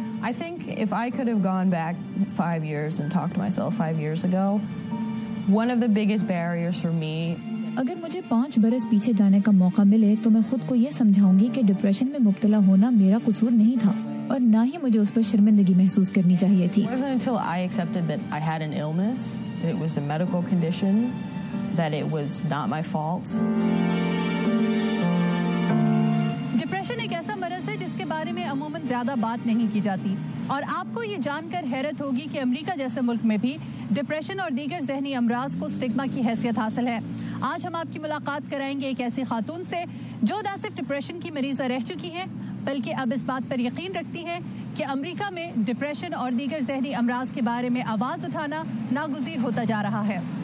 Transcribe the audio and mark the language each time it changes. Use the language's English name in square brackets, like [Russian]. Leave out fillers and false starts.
[English] I think if I could have gone back 5 years and talked to myself 5 years ago, one of the biggest barriers for me, [Urdu] اگر مجھے 5 برس پیچھے جانے کا موقع ملے تو میں خود کو یہ سمجھاؤں گی کہ ڈپریشن میں مبتلا ہونا میرا قصور نہیں تھا اور نہ ہی مجھے اس پر شرمندگی محسوس کرنی چاہیے تھی. [English] It wasn't until I accepted that I had an illness, that it was a medical condition, that it was not my fault. [Urdu] Depression ایک ایسا مرض ہے جس کے بارے میں عموماً زیادہ بات نہیں کی جاتی, اور آپ کو یہ جان کر حیرت ہوگی کہ امریکہ جیسے ملک میں بھی ڈپریشن اور دیگر ذہنی امراض کو سٹگما کی حیثیت حاصل ہے. آج ہم آپ کی ملاقات کرائیں گے ایک ایسی خاتون سے جو نہ صرف ڈپریشن کی مریضہ رہ چکی ہیں بلکہ اب اس بات پر یقین رکھتی ہیں کہ امریکہ میں ڈپریشن اور دیگر ذہنی امراض کے بارے میں آواز اٹھانا ناگزیر ہوتا جا رہا ہے.